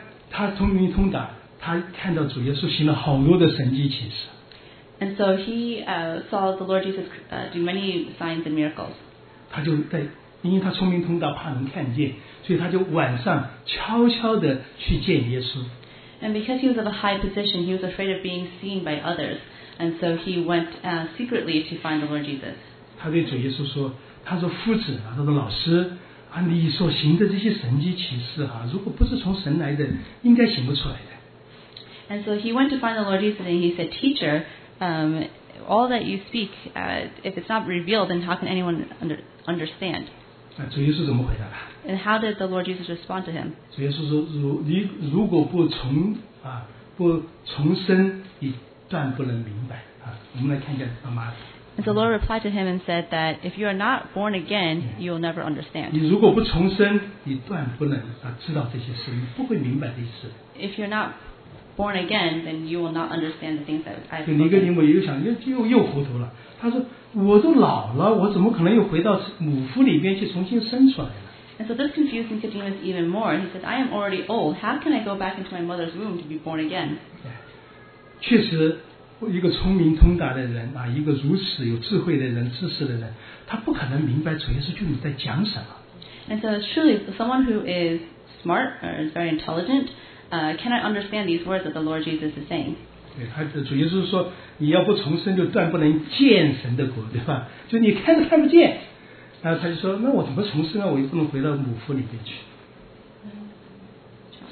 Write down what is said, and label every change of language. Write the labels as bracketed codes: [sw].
[zh] 他聪明通达，他看到主耶稣行了好多的神迹奇事。 [en] And so he saw the Lord Jesus do many signs and miracles. [zh] 他就在，因为他聪明通达，怕人看见，所以他就晚上悄悄地去见耶稣。 [en] And because he was of a high position, he was afraid of being seen by others. And so he went secretly to find the Lord Jesus. [zh] 他对主耶稣说，他说夫子，他说老师，你所行的这些神迹奇事，如果不是从神来的，应该行不出来的。 [en] And so he went to find the Lord Jesus and he said, Teacher, all that you speak, if it's not revealed, then how can anyone understand? [zh] 主耶稣怎么回答他？ [en] And how did the Lord Jesus respond to him? [zh] 主耶稣说：“如果不重生，你断不能明白。” 我们来看一下他妈的。 [en] And the Lord replied to him and said that if you are not born again, you will never understand. [zh] 你如果不重生，你断不能知道这些事，你不会明白这些事。 [en] If you're not born again, then you will not understand the things that I've spoken. [zh] 尼哥底母又想又糊涂了。他说：“我都老了，我怎么可能又回到母腹里面去重新生出来？” [en] And so this confused Nicodemus even more. He said, I am already old. How can I go back into my mother's womb to be born again? [zh] 确实，一个聪明通达的人，一个如此有智慧的人、知识的人，他不可能明白主耶稣究竟在讲什么。 [en] And so truly, someone who is smart or is very intelligent, cannot understand these words that the Lord Jesus is saying. [zh] 主耶稣说，你要不重生就断不能见神的国，对吧？就你看都看不见。然后他就说：“那我怎么重生呢？我又不能回到母腹里面去。”